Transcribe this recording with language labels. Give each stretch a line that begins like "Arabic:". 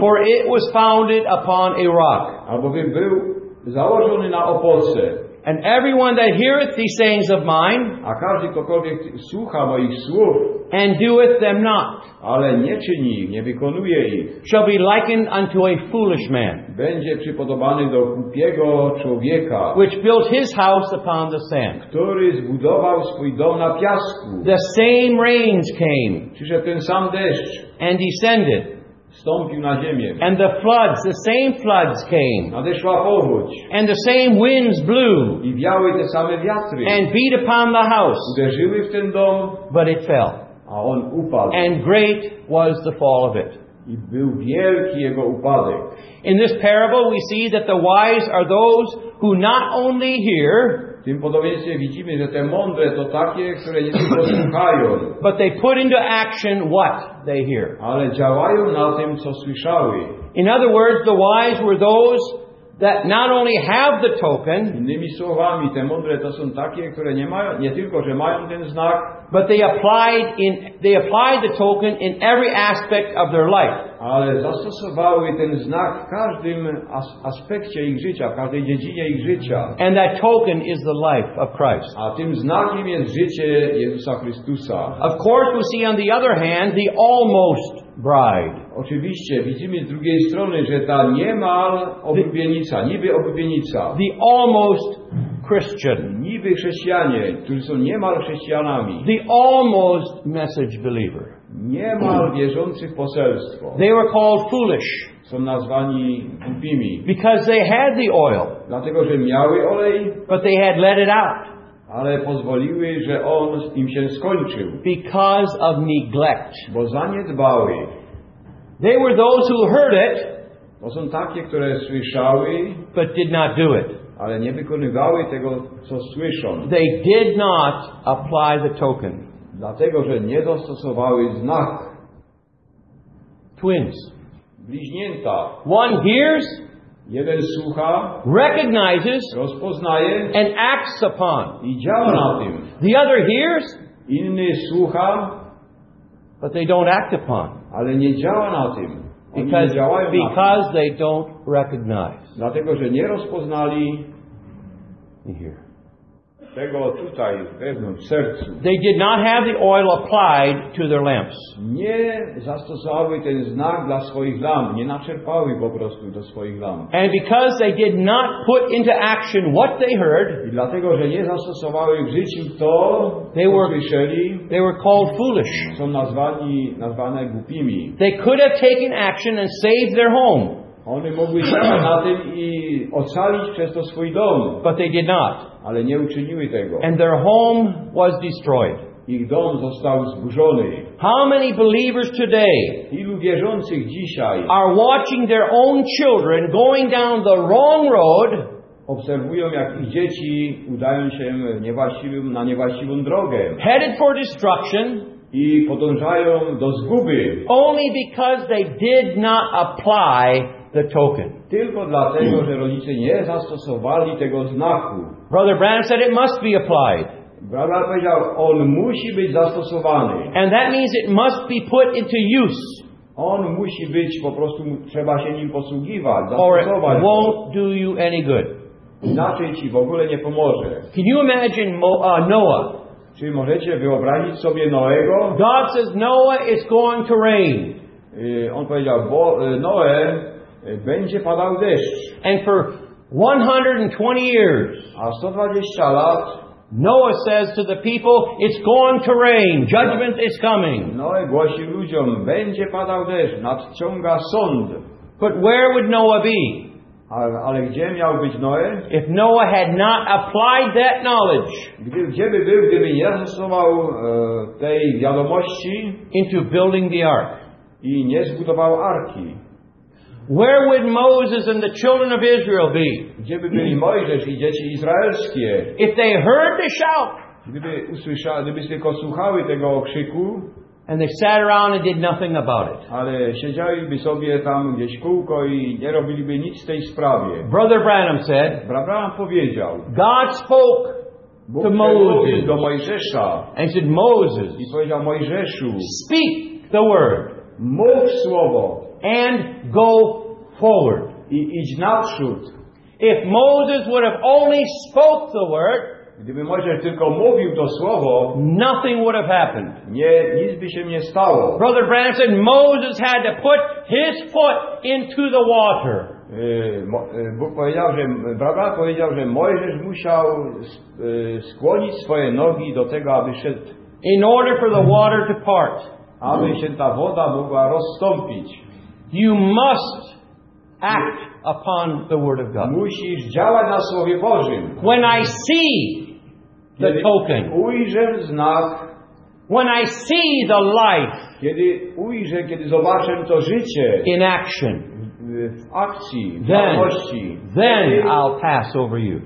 English: For it was founded upon a rock.
Polish: Albowiem był założony na opoce.
English: And everyone that heareth these sayings of mine,
Polish: a każdy, ktokolwiek słucha moich słów,
English: and doeth them not,
Polish: ale nie czyni, nie wykonuje ich,
English: shall be likened unto a foolish man,
Polish: będzie przypodobany do głupiego człowieka,
English: which built his house upon the sand,
Polish: który zbudował swój dom na piasku.
English: The same rains came,
Polish: przyszedł ten sam deszcz,
English: and descended,
Polish: stąpił na ziemię.
English: And the floods, the same floods came.
Polish: Nadeszła powódź.
English: And the same winds blew.
Polish: I wiały te same wiatry.
English: And beat upon the house.
Polish: Uderzyły w ten dom.
English: But it fell.
Polish: A on upadł.
English: And great was the fall of it.
Polish: I był wielki jego upadek.
English: In this parable we see that the wise are those who not only hear.
Polish: W tym podobieństwie widzimy, że te mądre to takie, które nie tylko słuchają,
English: but they put into action what they hear.
Polish: Ale działają na tym, co słyszały.
English: In other words, the wise were those that not only have the token.
Polish: Innymi słowami, te mądre to są takie, które nie mają, nie tylko, że mają ten znak,
English: but they applied the token in every aspect of their life.
Polish: Ale zastosowały ten znak w każdym aspekcie ich życia, w każdej dziedzinie ich życia.
English: And that token is the life of Christ.
Polish: A tym znakiem jest życie Jezusa Chrystusa.
English: Of course, we see on the other hand the almost bride.
Polish: Oczywiście widzimy z drugiej strony, że ta niemal oblubienica, niby oblubienica.
English: The almost Christian.
Polish: Niby chrześcijanie, którzy są niemal chrześcijanami.
English: The almost message believer.
Polish: Niemal wierzący w poselstwo.
English: They were called foolish.
Polish: Są nazwani głupimi.
English: Because they had the oil.
Polish: Dlatego, że miały olej.
English: But they had let it out.
Polish: Ale pozwoliły, że on im się skończył.
English: Because of neglect.
Polish: Bo zaniedbały.
English: They were those who heard it.
Polish: To są takie, które słyszały.
English: But did not do it.
Polish: Ale nie wykonywały tego, co słyszą.
English: They did not apply the token.
Polish: Dlatego, że nie dostosowały znak.
English: Twins.
Polish: Bliźnięta.
English: One hears.
Polish: Jeden słucha.
English: Recognizes.
Polish: Rozpoznaje.
English: And acts upon.
Polish: I działa na tym.
English: The other hears.
Polish: Inny słucha.
English: But they don't act upon.
Polish: Ale nie działa na tym.
English: Because they don't recognize.
Polish: Dlatego, że nie rozpoznali.
English: You hear.
Polish: Tego tutaj wewnątrz sercu.
English: They did not have the oil applied to their lamps.
Polish: Nie zastosowały ten znak dla swoich lamp. Nie naczerpały po prostu do swoich lamp.
English: And because they did not put into action what they heard.
Polish: I dlatego, że nie zastosowały w życiu to, co słyszeli.
English: They were called foolish.
Polish: Są nazwane głupimi.
English: They could have taken action and saved their home.
Polish: Oni mogli działać na tym i ocalić przez to swój dom.
English: But they did not.
Polish: Ale nie uczyniły tego.
English: And their home was destroyed.
Polish: Ich dom został zburzony.
English: How many believers today?
Polish: Ilu wierzących dzisiaj?
English: Are watching their own children going down the wrong road.
Polish: Obserwują, jak ich dzieci udają się na niewłaściwą drogę.
English: Headed for destruction.
Polish: I podążają do zguby.
English: Only because they did not apply the token.
Polish: Tylko dlatego, że rodzice nie zastosowali tego znaku.
English: Brother Branham said it must be applied.
Polish: Brother powiedział, on musi być zastosowany.
English: And that means it must be put into use.
Polish: On musi być, po prostu trzeba się nim posługiwać, zastosować.
English: It won't do you any good.
Polish: Inaczej ci w ogóle nie pomoże.
English: Can you imagine Noah?
Polish: Czy możecie wyobrazić sobie Noego?
English: God says Noah is going to rain.
Polish: On powiedział, bo Noe będzie padał deszcz.
English: And for 120 years.
Polish: A 120 lat.
English: Noah says to the people, it's going to rain. Judgment is coming.
Polish: Noe głosi ludziom, będzie padał deszcz, nadciąga sąd.
English: But where would Noah be?
Polish: Ale gdzie miał być Noe?
English: If Noah had not applied that knowledge.
Polish: Gdzie by był, gdyby nie zastosował tej wiadomości?
English: Into building the ark.
Polish: I nie zbudował arki.
English: Where would Moses and the children of Israel be?
Polish: Gdzie by byli Mojżesz i dzieci izraelskie?
English: If they heard the shout.
Polish: Gdyby tylko słuchały tego okrzyku.
English: And they sat around and did nothing about it.
Polish: Ale siedzieliby sobie tam gdzieś kółko i nie robiliby nic w tej sprawie.
English: Brother Branham said.
Polish: Brat Branham powiedział.
English: God spoke.
Polish: Bóg
English: to Moses.
Polish: Do Mojżesza.
English: And said, Moses.
Polish: I powiedział Mojżeszu.
English: Speak the word.
Polish: Mów słowo.
English: And go forward.
Polish: I idź naprzód.
English: If Moses would have only spoke the word,
Polish: gdyby Mojżesz tylko mówił to słowo,
English: nothing would have happened.
Polish: Nie, nic by się nie stało.
English: Brother Branham said Moses had to put his foot into the water.
Polish: Bóg powiedział, że Brabra powiedział, że Mojżesz musiał skłonić swoje nogi do tego, aby szedł.
English: In order for the water to part.
Polish: Aby się ta woda mogła rozstąpić.
English: You must act upon the word of God.
Polish: Musisz działać na słowie Bożym.
English: When I see the token,
Polish: ujrzę znak.
English: When I see the life,
Polish: kiedy zobaczę to życie
English: in action,
Polish: w akcji, w działości,
English: then I'll pass over you.